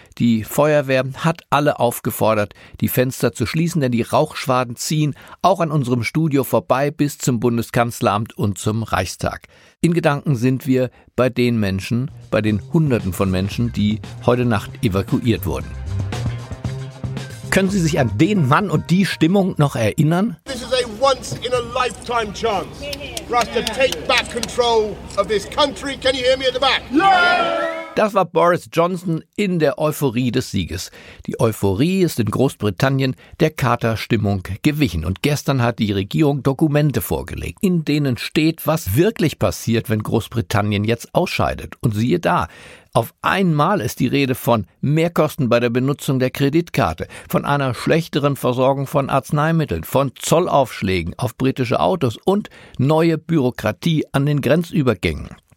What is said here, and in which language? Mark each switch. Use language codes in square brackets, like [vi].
[de] Die Feuerwehr hat alle aufgefordert, die Fenster zu schließen, denn die Rauchschwaden ziehen auch an unserem Studio vorbei bis zum Bundeskanzleramt und zum Reichstag. In Gedanken sind wir bei den Menschen, bei den Hunderten von Menschen, die heute Nacht evakuiert wurden. Können Sie sich an den Mann und die Stimmung noch erinnern? [en] This is a once in a lifetime chance for us to take back control of this country. Can you hear me at the back? [de] Das war Boris Johnson in der Euphorie des Sieges. Die Euphorie ist in Großbritannien der Katerstimmung gewichen. Und gestern hat die Regierung Dokumente vorgelegt, in denen steht, was wirklich passiert, wenn Großbritannien jetzt ausscheidet. Und siehe da, auf einmal ist die Rede von Mehrkosten bei der Benutzung der Kreditkarte, von einer schlechteren Versorgung von Arzneimitteln, von Zollaufschlägen auf britische Autos und neue Bürokratie an den Grenzübergängen.